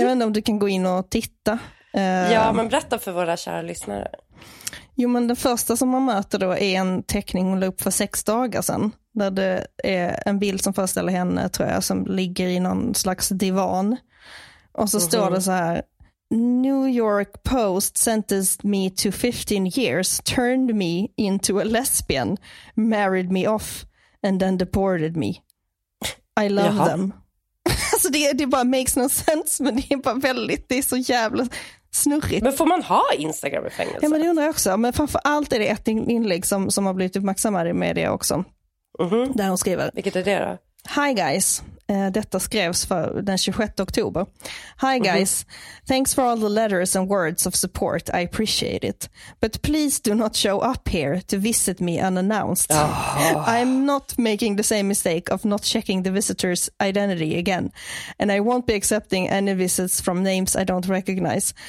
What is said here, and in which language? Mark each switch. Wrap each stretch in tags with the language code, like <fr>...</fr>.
<sv>Även om du kan gå in och titta. Ja, men berätta för våra kära lyssnare. Jo, men det första som man möter då är en teckning hon la upp för 6 dagar sedan. Där det är en bild som föreställer henne, tror jag, som ligger i någon slags divan. Och så står det så här...</sv> <en>New York Post sentenced me to 15 years, turned me into a lesbian, married me off, and then deported me. I love them.</en> <sv>Alltså det bara</sv> <en>makes no sense,</en> <sv>men det är bara väldigt, det är så jävla snurrigt. Men får man ha Instagram i fängelse? Ja, men det undrar jag också. Men framförallt är det ett inlägg som har blivit uppmärksammare i media också. Mm-hmm. Där hon skriver. Vilket är det då?</sv> <en>Hi guys.</en> <sv>Detta skrevs för den 26 oktober.</sv> <en>Hi guys, thanks for all the letters and words of support. I appreciate it. But please do not show up here to visit me unannounced. I'm not making the same mistake of not checking the visitor's identity again. And I won't be accepting any visits from names I don't recognize.</en>